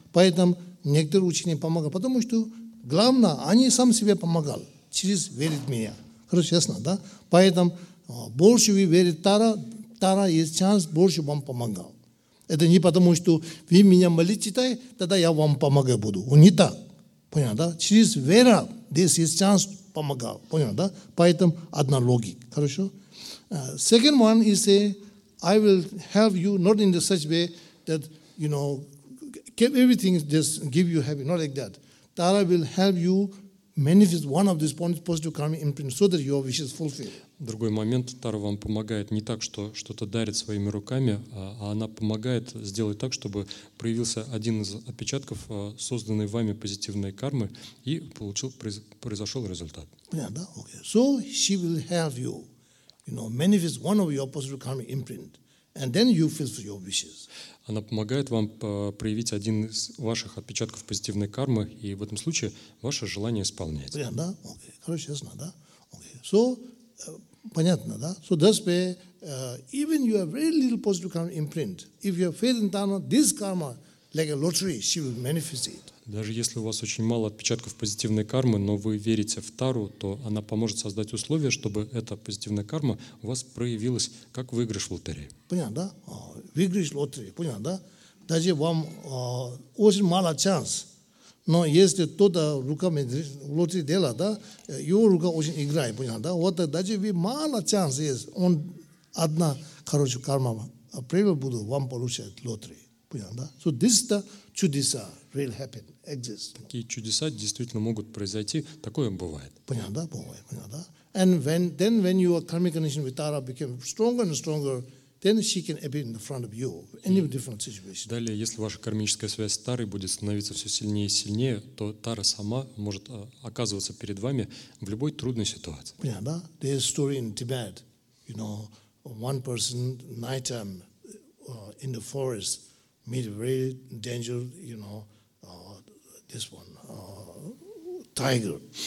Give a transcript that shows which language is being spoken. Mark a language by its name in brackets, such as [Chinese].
[Russian] Поэтому некоторые учения помогают, потому что главное, они сам себе помогали через верить в меня. Хорошо, ясно, да? Поэтому больше вы верите Тара, Тара есть шанс, больше вам помогал. Это не потому, что вы меня молитесь, читай, тогда я вам помогать буду. Не так. Понятно, да? Через веру здесь есть шанс помогал. Понятно, да? Поэтому одна логика. Хорошо? [English] Second one is a, I will help you, not in the such way that, you know, keep everything just give you happy, not like that. Tara will help you manifest one of these positive karma imprints so that your wishes fulfill. [Russian] Другой момент, Тара вам помогает не так, что что-то дарит своими руками, а она помогает сделать так, чтобы проявился один из отпечатков созданной вами позитивной кармы и получил, произошел результат. [English] Yeah, [Russian] да? [English] Okay. So she will help you, you know, manifest one of your positive karma imprint, and then you fulfill your wishes. [Russian] Она помогает вам проявить один из ваших отпечатков позитивной кармы, и в этом случае ваше желание исполняется. Понятно, да? Окей. Короче, ясно, да? Окей. So, понятно, да? [English] So, that's where, even you have very little positive karma imprint, if you have faith in Tara, this karma, like a lottery, she will manifest it. [Russian] Даже если у вас очень мало отпечатков позитивной кармы, но вы верите в Тару, то она поможет создать условия, чтобы эта позитивная карма у вас проявилась как выигрыш в лотерее. Понятно, да? Выигрыш в лотерее, понятно, да? Даже вам очень мало шанс, но если кто-то руками в лотерее делает, да, его рука очень играет, понятно, да? Вот даже вы мало шанс есть, он одна, короче, карма, прибыль будет вам получать лотерею, понятно, да? [English] So this is the [Russian] чудеса. [English] Real happen, exist. [Russian] Такие чудеса действительно могут произойти, такое бывает. Понятно, да? Бывает, понятно, да? [English] And when, then when your karmic connection with Tara became stronger and stronger, then she can appear in the front of you, any different situation. [Russian] Далее, если ваша кармическая связь с Тарой будет становиться все сильнее и сильнее, то Тара сама может оказываться перед вами в любой трудной ситуации. Понятно, да? [English] There is a story in Tibet, you know, one person nighttime in the forest meet a very dangerous, you know, this one, tiger.